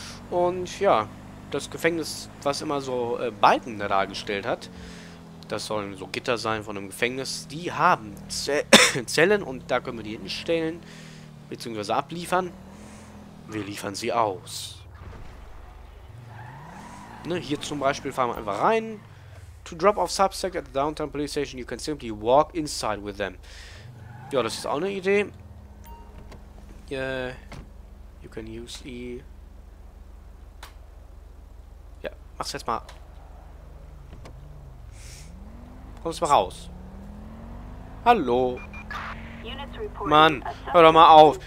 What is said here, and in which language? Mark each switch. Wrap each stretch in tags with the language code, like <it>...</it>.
<de>Und ja, das Gefängnis, was immer so Biden dargestellt hat, das sollen so Gitter sein von einem Gefängnis, die haben Zellen und da können wir die hinstellen, beziehungsweise abliefern. Wir liefern sie aus. Ne, hier zum Beispiel fahren wir einfach rein.</de> <en>To drop off subject at the downtown police station, you can simply walk inside with them.</en> <de>Ja, das ist auch eine Idee.</de> <en>You can use E.</en> <de>Ja, mach's jetzt mal. Kommst mal raus. Hallo. Mann, hör doch mal auf.</de>